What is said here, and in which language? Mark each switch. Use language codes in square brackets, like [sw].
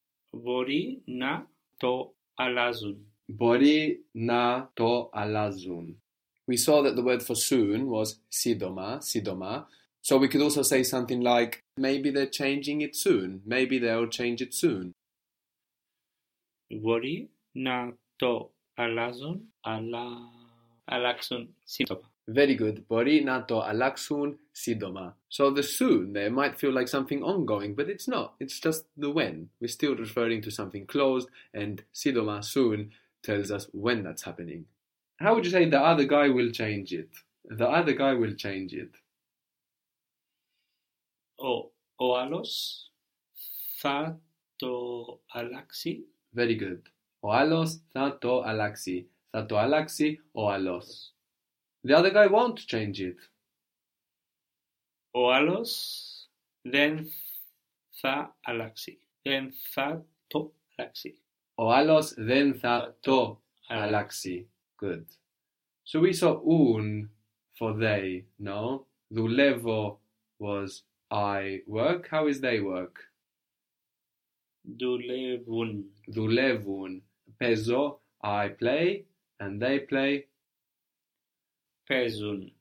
[el] Μπορεί να το αλλάζουν. Μπορεί να το αλλάζουν. [en] We saw that the word for soon was sidoma, sidoma. So we could also say something like, maybe they're changing it soon. Maybe they'll change it soon. [el] Μπορεί να το αλλάζουν, αλλά αλλάξουν σύντομα. [en] Very good. [el] Μπορεί να το αλλάξουν σύντομα. [en] So the soon there might feel like something ongoing, but it's not. It's just the when. We're still referring to something closed, and σύντομα, soon, tells us when that's happening. How would you say the other guy will change it? The other guy will change it. [el] Ο άλλος θα το αλλάξει. [en] Very good. [el] Ο άλλος θα το αλλάξει. Θα το αλλάξει ο άλλος. [en] The other guy won't change it. [el] Ο άλλος δεν θα αλλάξει. Δεν θα το αλλάξει. Ο άλλος δεν θα το αλλάξει. [en] Good. So we saw un for they, no? Δουλεύω was I work. How is they work? [el] Δουλεύουν. Δουλεύουν. [en] Παίζω, I play, and they play. [el] Παίζουν.